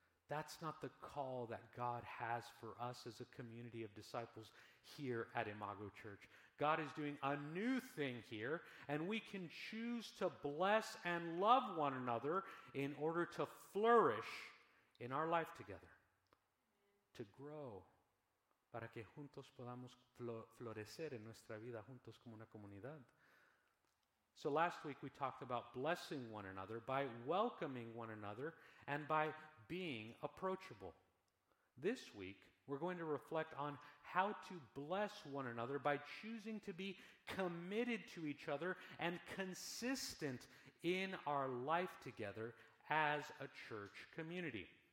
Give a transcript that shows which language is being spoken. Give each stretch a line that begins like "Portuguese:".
English: That's not the call that God has for us as a community of disciples here at Imago Church. God is doing a new thing here, and we can choose to bless and love one another in order to flourish in our life together, to grow.
Spanish: Para que juntos podamos florecer en nuestra vida juntos como una comunidad.
English: So last week we talked about blessing one another by welcoming one another and by being approachable. This week, we're going to reflect on how to bless one another by choosing to be committed to each other and consistent in our life together as a church community.